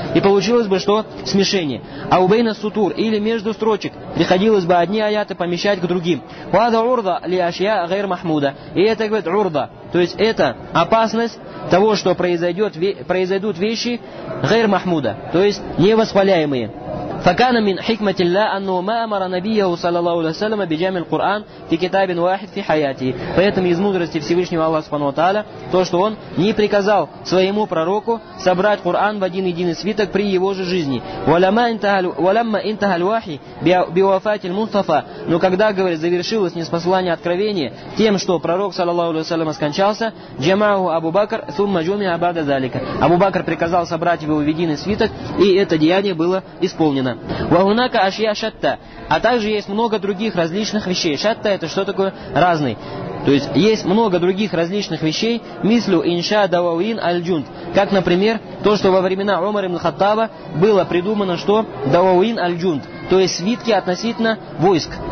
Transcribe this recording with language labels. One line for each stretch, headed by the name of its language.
Russian: И получилось бы, что смешение. А у
Arabic: бейна сутур,
Russian: или между строчек, приходилось бы одни аяты помещать к другим.
Arabic: Вада урда ли ашья гайр махмуда.
Russian: И это говорит урда. То есть это опасность того, что произойдут вещи
Arabic: гайр махмуда.
Russian: То есть невоспаляемые.
Arabic: فكان من حكمة الله أنه ما أمر نبيه صلى الله عليه وسلم بجمع القرآن في كتاب واحد في حياته.
Russian: Поэтому из мудрости Всевышнего Аллаха Субхану ва Тааля то, что он не приказал своему пророку собрать Коран в один единый свиток при его же жизни.
Arabic: ولما انتهى الوحي بوفاة المصطفى.
Russian: Но когда, говорит, завершилось ниспослание откровения тем, что пророк صلى الله عليه وسلم скончался,
Arabic: جمعه أبو بكر ثم جمع بعد ذلك.
Russian: Абу Бакр приказал собрать его в единый свиток, и это деяние было исполнено.
Arabic: Вагунака ашья шатта,
Russian: а также есть много других различных вещей. Шатта — это что такое? Разный. То есть есть много других различных вещей,
Arabic: мислю инша дауин аль-джунд.
Russian: Как, например, то, что во времена Умара ибн Хаттаба было придумано, что дауин аль-джунд, то есть свитки относительно войск.